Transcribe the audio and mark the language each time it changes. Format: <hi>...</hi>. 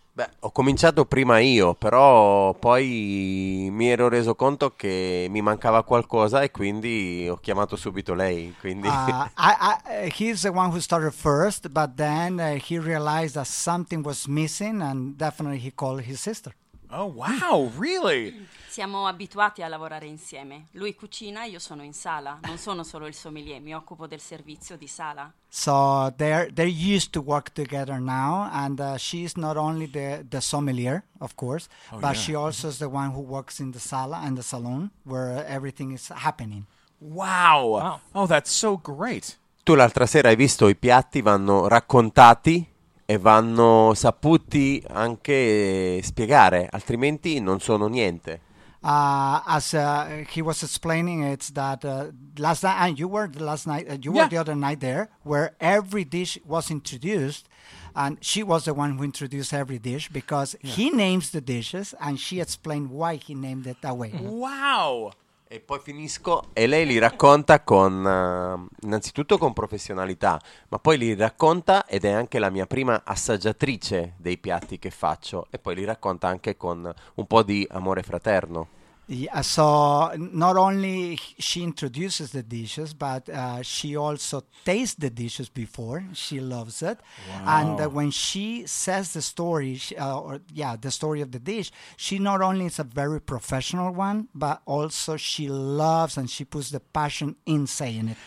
<it>Beh, ho cominciato prima io, però poi mi ero reso conto che mi mancava qualcosa e quindi ho chiamato subito lei. Quindi</it> <en>he's the one who started first, but then he realized that something was missing and definitely he called his sister. Oh wow, really?</en> <it>Siamo abituati a lavorare insieme. Lui cucina, io sono in sala. Non sono solo il sommelier, mi occupo del servizio di sala.</it> <en>So they're used to work together now, and she's not only the sommelier, of course, she also is the one who works in the sala and the salon where everything is happening. Wow. Wow. Oh, that's so great.</en> <it>Tu l'altra sera hai visto i piatti vanno raccontati. E vanno saputi anche spiegare, altrimenti non sono niente.</it> <en>As he was explaining, it's that last night, and you were the last night, were the other night there, where every dish was introduced, and she was the one who introduced every dish, because he names the dishes, and she explained why he named it that way. Wow!</en> <it>E poi finisco, e lei li racconta con, innanzitutto con professionalità, ma poi li racconta ed è anche la mia prima assaggiatrice dei piatti che faccio, e poi li racconta anche con un po' di amore fraterno.</it> <en>Yeah, so, not only she introduces the dishes, but she also tastes the dishes before, she loves it, wow. And when she says the story, the story of the dish, she not only is a very professional one, but also she loves and she puts the passion in saying it.</en>